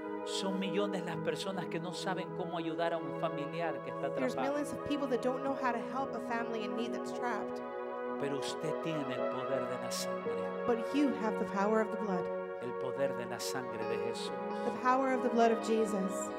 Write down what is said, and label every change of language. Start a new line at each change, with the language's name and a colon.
Spanish: Son millones las personas que no saben cómo ayudar a un familiar que está atrapado.
English: There's millions of people that don't know how to help a family in need that's trapped.
Spanish: Pero usted tiene el poder de la sangre.
English: But you have the power of the blood.
Spanish: El poder de la sangre de Jesús.
English: The power of the blood of Jesus.